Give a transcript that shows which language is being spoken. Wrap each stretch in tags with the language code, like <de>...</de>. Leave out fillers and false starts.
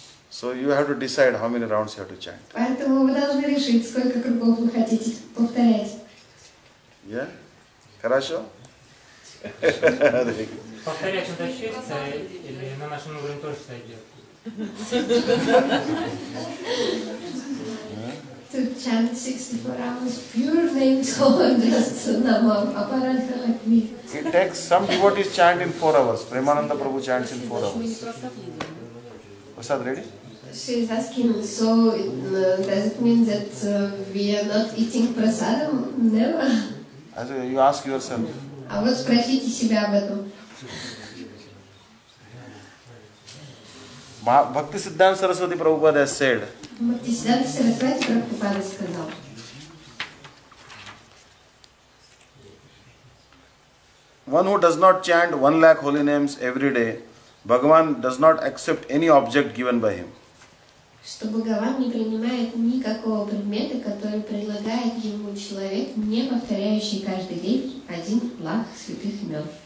<en>So you have to decide how many rounds you have to chant.</en> <ru>Поэтому вы должны решить, сколько кругов вы хотите повторять. Yeah? Хорошо? Повторять что-то ощущается или на нашем уровне тоже сойдет?</ru> <en>To chant 64 rounds, pure name song, just namam, aparanta like me. It takes some devotees chant in 4 hours. Premananda Prabhu chants in 4 hours. Prasad, ready? She is asking, so does it mean that we are not eating prasadam? Never. As you ask yourself.</en> <ru>А вот спросите себя об этом.</ru> <en>Bhakti Siddhanta Saraswati Prabhupada has said.</en> <ru>Bhakti Siddhanta Saraswati Prabhupada сказал.</ru> <en>One who does not chant 1 lakh holy names every day, Bhagavan does not accept any object given by him.</en> <ru>Что Бхагаван не принимает никакого предмета, который предлагает ему человек, не повторяющий каждый день 1 лакх святых имен.</ru>